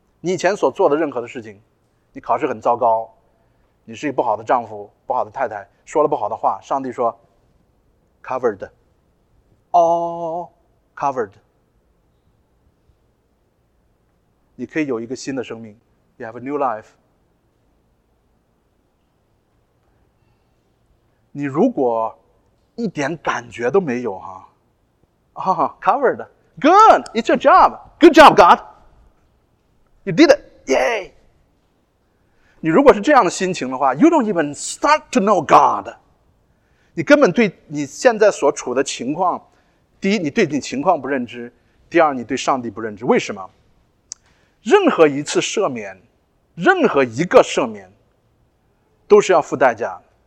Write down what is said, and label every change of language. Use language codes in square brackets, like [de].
[zh] 你以前所做的任何的事情，你考试很糟糕，你是一个不好的丈夫、不好的太太，说了不好的话，上帝说 [en] covered， all covered， [zh] 你可以有一个新的生命， [en] you have a new life。 [zh] 你如果一点感觉都没有哈，啊， [en] covered， good， it's your job， good job God， you did it， yay。 [zh] 你如果是这样的心情的话， [en] You don't even start to know God， [zh] 你根本对你现在所处的情况，第一，你对你情况不认知，第二，你对上帝不认知。为什么？任何一次赦免，任何一个赦免都是要付代价。